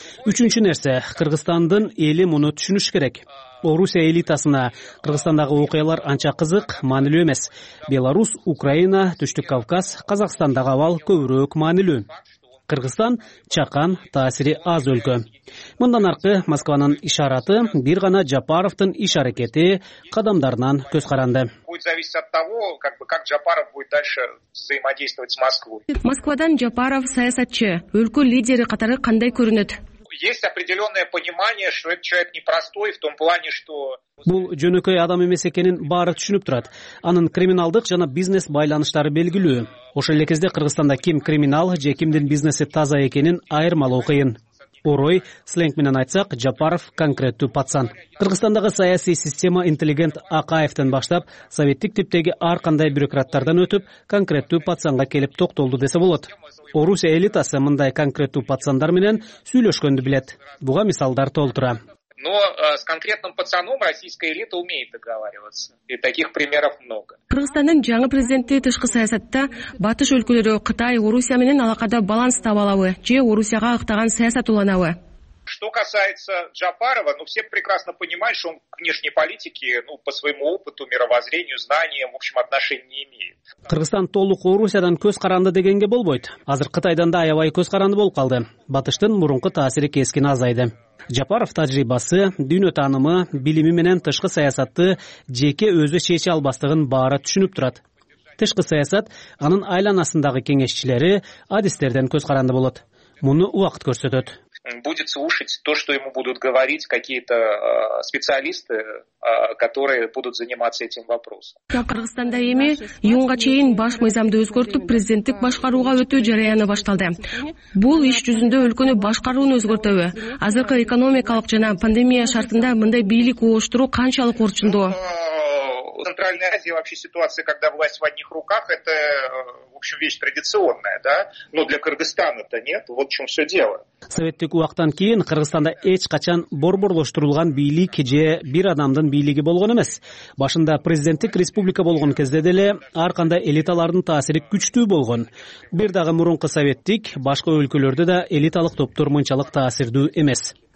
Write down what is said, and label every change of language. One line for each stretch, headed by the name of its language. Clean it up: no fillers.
Kyrgyz: Үчүнчү нерсе, Кыргызстандын эли муну түшүнүш керек. Орусия элитасына Кыргызстандагы окуялар анча кызык, маанилүү эмес. Беларусь, Украина, Түштүк Кавказ, Казакстандагы абал көбүрөөк маанилүү. Кыргызстан чакан, таасири аз өлкө. Мындан аркы Москванын ишараты бир гана Жапаровдун иш аракети кадамдарынан көз каранды.
Russian: Будет зависеть от того, как Жапаров будет дальше взаимодействовать с Москвой.
Kyrgyz: Москвадан Жапаров саясатчы, өлкө лидери катары кандай көрүнөт?
Russian: Есть определенное понимание, что этот человек непростой в том плане, что
Kyrgyz: бул жөнөкөй адам эмес экенин баары түшүнүп турат. Анын криминалдык жана бизнес байланыштары белгилүү. Ошол эле кезде Кыргызстанда ким криминал же кимдин бизнеси таза экенин айырмалоо кыйын. Орой сленг менен айтсак, Жапаров конкреттүү пацан. Кыргызстандагы саясий система интеллигент Акаевден баштап, советтик типтеги ар кандай бюрократтардан өтүп, конкреттүү пацанга келип токтолду десе болот. Орусия элитасы мындай конкреттүү пацандар менен сүйлөшкөндү билет. Буга мисалдар толтура.
Russian: Но с конкретным пацаном российская элита умеет договариваться. И таких примеров много.
Kyrgyz: Кыргызстандын жаңы президенти тышкы саясатта батыш өлкөлөрү Кытай, Орусия менен алакада баланс таба алабы же Орусияга ыктаган саясат уланабы?
Russian: Что касается Джапарова, ну все прекрасно понимают, что он к внешней политике, ну по своему опыту, мировоззрению, знаниям, в общем, отношения не имеет.
Kyrgyz: Кыргызстан толук Орусиядан көз каранды дегенге болбойт. Азыр Кытайдан да аябай көз каранды болуп калды. Батыштын мурунку таасири кескин азайды. Жапаров тажрыйбасы, дүйнө таанымы, билими менен тышкы саясатты жеке өзү чече албастыгын баары түшүнүп турат. Тышкы саясат анын айланасындагы кеңешчилери адистерден көз каранды болот. Муну убакыт көрсөтөт.
Russian: Будет слушать то, что ему будут говорить какие-то специалисты, которые будут заниматься этим вопросом.
Kyrgyz: Кыргызстанда эми июнга чейин баш мыйзамды өзгөртүп, президенттик башкарууга өтүү жараяны башталды. Бул иш жүзүндө өлкөнү башкарууну өзгөртөбү? Азыркы экономикалык жана пандемия шартында мындай бийлик ооштуруу канчалык орчундуу?
Russian: В Центральной Азии вообще ситуация, когда власть в одних руках, это, в общем, вещь традиционная, да? Но для Кыргызстана-то нет, вот в чем все дело.
Kyrgyz: Советтик убактан кийин Кыргызстанда эч качан борборлоштурулган бийлик же бир адамдын бийлиги болгон эмес. Башында президенттик республика болгон кезде деле ар кандай элиталардын таасири күчтүү болгон. Бир дагы мурунку советтик, башка өлкөлөрдө да элиталык топтор мынчалык таасирдүү эмес.